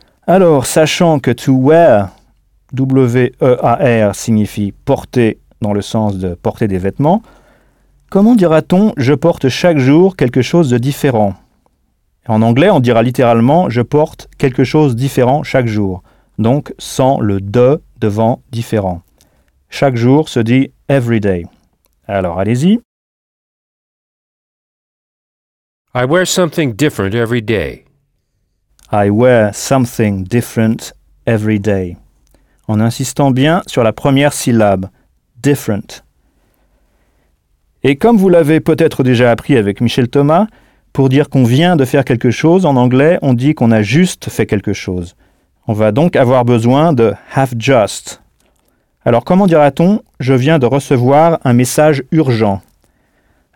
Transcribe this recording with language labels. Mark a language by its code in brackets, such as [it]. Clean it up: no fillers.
[fr] Alors, sachant que to wear, W-E-A-R, signifie porter dans le sens de porter des vêtements, comment dira-t-on « je porte chaque jour quelque chose de différent » ? En anglais, on dira littéralement « je porte quelque chose de différent chaque jour », donc sans le « de » devant « différent ». Chaque jour se dit « [en] every day ». [fr] Alors, allez-y. [en] I wear something different every day. I wear something different every day. [fr] En insistant bien sur la première syllabe, different. Et comme vous l'avez peut-être déjà appris avec Michel Thomas, pour dire qu'on vient de faire quelque chose, en anglais, on dit qu'on a juste fait quelque chose. On va donc avoir besoin de [en] have just. [fr] Alors comment dira-t-on « je viens de recevoir un message urgent » ?